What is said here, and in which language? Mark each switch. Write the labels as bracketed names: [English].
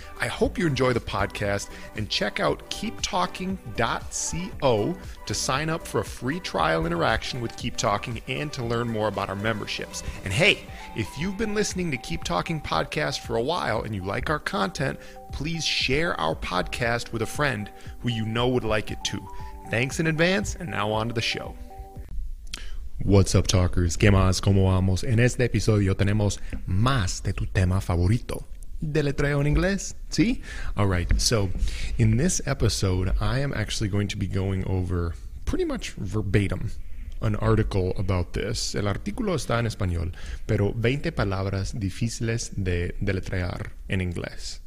[English] I hope you enjoy the podcast, and check out keeptalking.co to sign up for a free trial interaction with Keep Talking and to learn more about our memberships. And hey, if you've been listening to Keep Talking Podcast for a while and you like our content, please share our podcast with a friend who you know would like it too. Thanks in advance, and now on to the show. What's up, talkers? [Spanish] ¿Qué más? ¿Cómo vamos? En este episodio tenemos más de tu tema favorito. Deletreo en inglés, ¿sí? [English] All right, so in this episode, I am actually going to be going over pretty much verbatim an article about this. [Spanish] El artículo está en español, pero 20 palabras difíciles de deletrear en inglés.